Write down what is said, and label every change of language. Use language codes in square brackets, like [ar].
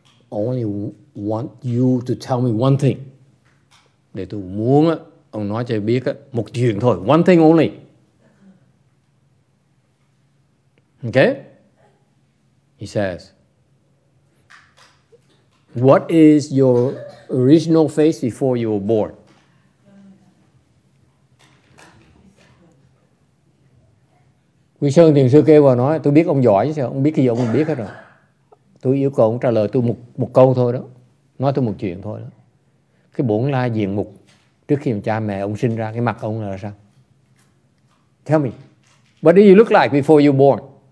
[en] Only want you to tell me one thing. [vi] Để tôi muốn ông nói cho biết một chuyện thôi. [en] One thing only. Okay? He says, what is your original face before you were born? [vi] Quý Sơn Thiền Sư kêu vào nói, tôi biết ông giỏi chứ sao, ông biết cái gì ông biết hết rồi. Tôi yêu cầu ông trả lời tôi một câu thôi đó, nói tôi một chuyện thôi đó. Cái bổn lai diện mục trước khi cha mẹ ông sinh ra, cái mặt ông là sao? [en] Tell me, what do you look like before you were born?